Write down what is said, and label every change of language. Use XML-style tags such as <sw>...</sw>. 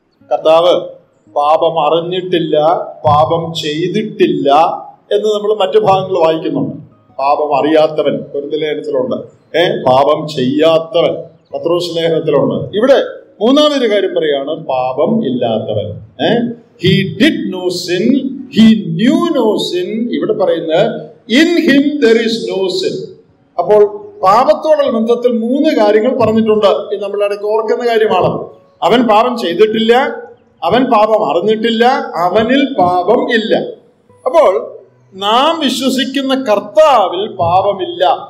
<ml>കർത്താവ് പാപം അറിഞ്ഞിട്ടില്ല, പാപം ചെയ്തിട്ടില്ല എന്ന് നമ്മൾ മറ്റു ഭാഗങ്ങൾ വായിക്കുന്നുണ്ട്. പാപം അറിയാത്തവൻ കൊരിന്ത്യലേഖനത്തിലുണ്ട്, പാപം ചെയ്യാത്തവൻ പത്രോസ് ലേഖനത്തിലുണ്ട്. ഇവിടെ മൂന്നാമതൊരു കാര്യം പറയുകയാണ്, പാപം ഇല്ലാത്തവൻ.</ml> <en>He did no sin, He knew no sin.</en> <ml>ഇവിടെ പറയുന്നത്</ml> <en>in him there is no sin.</en> <ml>അപ്പോൾ പാപത്തോടുള്ള ബന്ധത്തിൽ മൂന്ന് കാര്യങ്ങൾ പറഞ്ഞിട്ടുണ്ട്. ഇത് നമ്മൾ ഇടയ്ക്ക് ഓർക്കുന്ന കാര്യമാണ്. അവൻ പാപം ചെയ്തിട്ടില്ല, അവൻ പാപം അറിഞ്ഞിട്ടില്ല, അവനിൽ പാപം ഇല്ല. അപ്പോൾ നാം വിശ്വസിക്കുന്ന കർത്താവിൽ പാപമില്ല.</ml>